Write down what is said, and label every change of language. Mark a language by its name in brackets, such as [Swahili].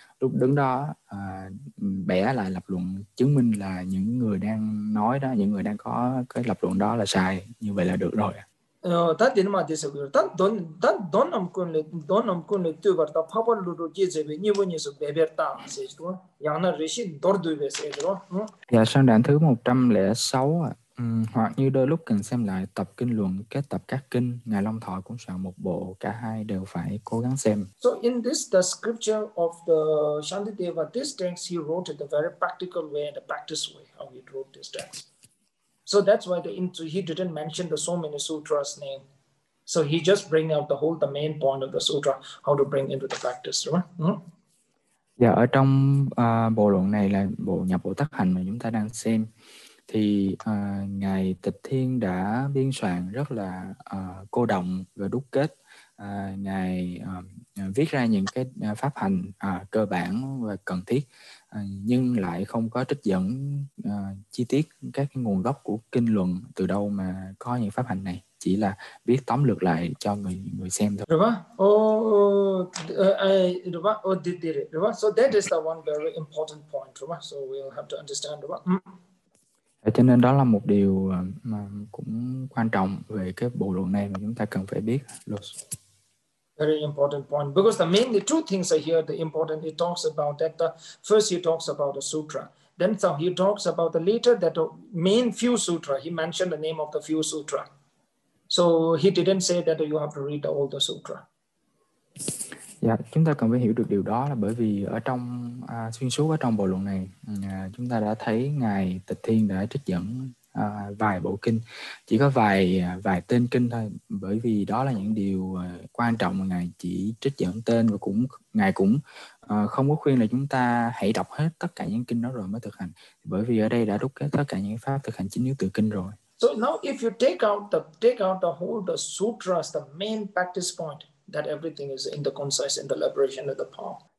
[Vietnamese] lúc đứng đó bẻ lại lập luận chứng minh là những người đang nói đó, những người đang có cái lập luận đó là sai, như vậy là được rồi. Tā tīn mā tī sā kūyō, tā tōn nām kūn lī, tōn nām kūn lī tū bār tā pāpa lū rū jī zhē bē, nī bō nī sō bē bē tā sē chī tō, yā na rī shī dōr dū bē sē chī tō, nō. Dạ, sang đoạn thứ 106 ạ. Hoặc như đôi lúc cần xem lại tập kinh luận kết tập các kinh, Ngài Long Thọ cũng soạn một bộ, cả hai đều phải cố gắng xem. [English] So in this, the scripture of the Shantideva, these texts he wrote in a very practical way and a practice way, how he wrote these texts. So that's why he didn't mention the so many sutras name. So he just bring out the whole the main point of the sutra, how to bring into the practice, right? [Vietnamese] Dạ, ở trong bộ luận này là bộ Nhập Bộ Tác Hành mà chúng ta đang xem, thì Ngài Tịch Thiên đã biên soạn rất là cô đọng và đúc kết. Ngài viết ra những cái pháp hành cơ bản và cần thiết, nhưng lại không có trích dẫn chi tiết các cái nguồn gốc của kinh luận từ đâu mà có những pháp hành này, chỉ là viết tóm lược lại cho người người xem thôi. [English] So that is the one very important point, right? So we'll have to understand, right? [Vietnamese] Cho nên đó là một điều mà cũng quan trọng về cái bộ luận này mà chúng ta cần phải biết luật. [English] Very important point. Because the mainly two things are here, the important he talks about that the first he talks about the sutra. Then so he talks about the later that the main few sutra, he mentioned the name of the few sutra. So he didn't say that you have to read all the sutra. [Vietnamese] Dạ, chúng ta cần phải hiểu được điều đó là bởi vì ở trong xuyên suốt ở trong bộ luận này, chúng ta đã thấy Ngài Tịch Thiên đã trích dẫn vài bộ kinh, chỉ có vài vài tên kinh thôi, bởi vì đó là những điều quan trọng mà Ngài chỉ trích dẫn tên, và cũng Ngài cũng không có khuyên là chúng ta hãy đọc hết tất cả những kinh đó rồi mới thực hành, bởi vì ở đây đã đúc kết tất cả những pháp thực hành chính yếu từ kinh rồi. [English] So now if you take out the whole the sutras, the main practice point that everything is in the concise in the liberation of the palm.